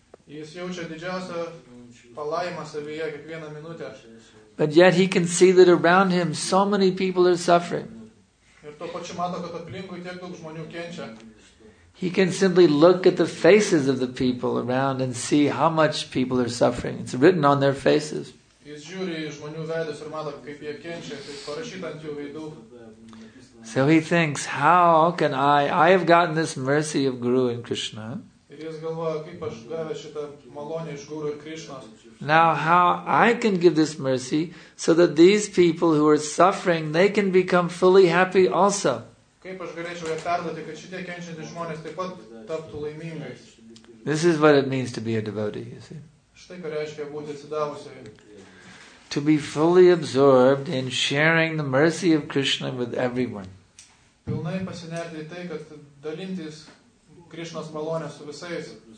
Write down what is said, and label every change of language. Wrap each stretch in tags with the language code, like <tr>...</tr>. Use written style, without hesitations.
<lt>Jis jaučia didžiausią palaimą savyje kiekvieną minutę.</lt> <en>But yet he can see that around him so many people are suffering.</en> <lt>Ir to pačiu mato, kad aplinkui tiek daug žmonių kenčia.</lt> <en>He can simply look at the faces of the people around and see how much people are suffering. It's written on their faces.</en> <lt>Jis žiūri į žmonių veidus ir mato, kaip jie kenčia, kaip parašyta ant jų veidų.</lt> <en>So he thinks, how can I have gotten this mercy of Guru and Krishna.</en> <lt>Ir jis galvoja, kaip aš gavęs šitą malonę iš Guru ir Krishnos.</lt> <en>Now how I can give this mercy so that these people who are suffering, they can become fully happy also.</en> <lt>Kaip aš galėčiau ją perduoti, kad šitie kenčiantys žmonės taip pat taptų laimingais.</lt> <en>This is what it means to be a devotee, you see.</en> <lt>Štai ką reiškia būti atsidavusiai.</lt> <en>To be fully absorbed in sharing the mercy of Krishna with everyone.</en> <lt>Pilnai pasinerti į tai, kad dalintis Krishnos malonė su visais.</lt>